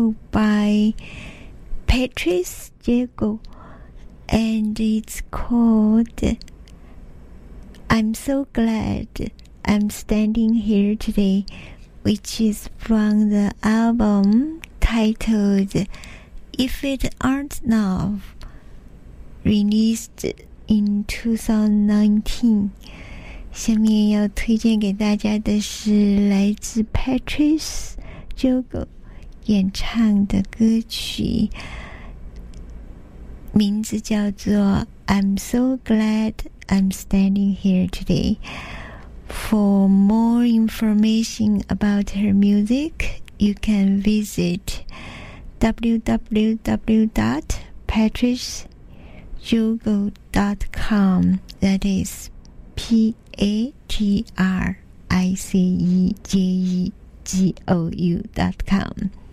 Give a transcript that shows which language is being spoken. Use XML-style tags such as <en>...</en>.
<en>by Patrice Jego, and it's called I'm So Glad I'm Standing Here Today, which is from the album titled If It Aren't Enough, released in 2019.</en> <zh>下面要推荐给大家的是来自 Patrice Jogo 演唱的歌曲，名字叫做 I'm So Glad I'm Standing Here Today.</zh> <en>For more information about her music, you can visit www.patricejogo.com. That is PATRICEJEGOU.com.</en>